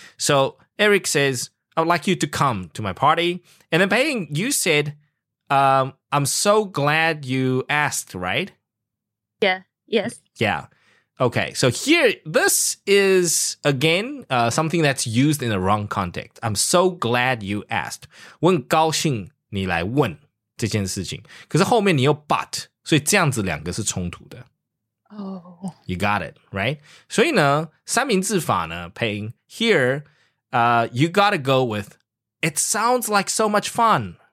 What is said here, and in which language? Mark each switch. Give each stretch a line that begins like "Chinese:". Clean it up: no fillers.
English: So Eric says, I would like you to come to my party. And then Payne, you said, I'm so glad you asked, right? Yeah, yes. Yeah. Okay, so here, this is, again, something that's used in the wrong context. I'm so glad you asked.
Chinese: 问高兴你来问这件事情。可是后面你又 but, 所以这样子两个是冲突的。
English: Oh. You got it, right?
Chinese: 所以呢,三明治法呢, Payne,
English: here, you gotta go with, it sounds like so much fun.